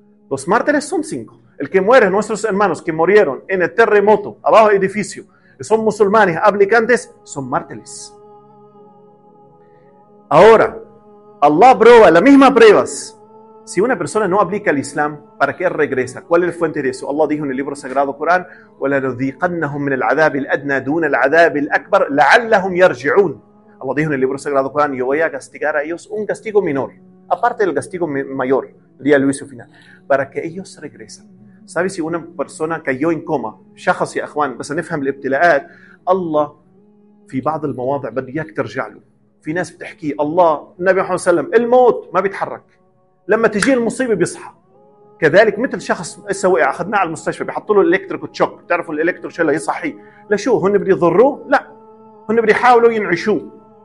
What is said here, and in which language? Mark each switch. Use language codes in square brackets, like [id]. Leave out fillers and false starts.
[es] Los mártires son cinco. El que muere nuestros hermanos que murieron en el terremoto abajo del edificio son musulmanes aplicantes son mártires. Ahora Allah prueba las mismas pruebas. Si una persona no aplica el Islam, ¿para qué regresa? ¿Cuál es la fuente de eso? Allah dijo en el libro sagrado Corán, [ar] وَلَنُذِيقَنَّهُمْ مِنَ الْعَذَابِ الْأَدْنَى دُونَ الْعَذَابِ الْأَكْبَرِ لَعَلَّهُمْ يَرْجِعُونَ. [es] Allah dijo en el libro sagrado Corán, yo voy a castigar a ellos un castigo menor, aparte del castigo mayor, el día del juicio final, para que ellos regresen. ¿Sabes si una persona cayó en coma? [ar] شخص يا أخوان, بس نفهم الابتلاءات. Allah, في بعض المواضع بديك ترجع له. في ناس بتحكي, Allah, النبي صلى الله عليه وسلم, الموت ما بيتحرك. لما تجي المصيبه بيصحى. كذلك مثل شخص هسه وقع اخذناه على المستشفى بحطوا له الكتريك تشوك, بتعرفوا الالكتريك شو اللي يصحي لشو هن بده يضروه؟ لا هن بده يحاولوا ينعشوه.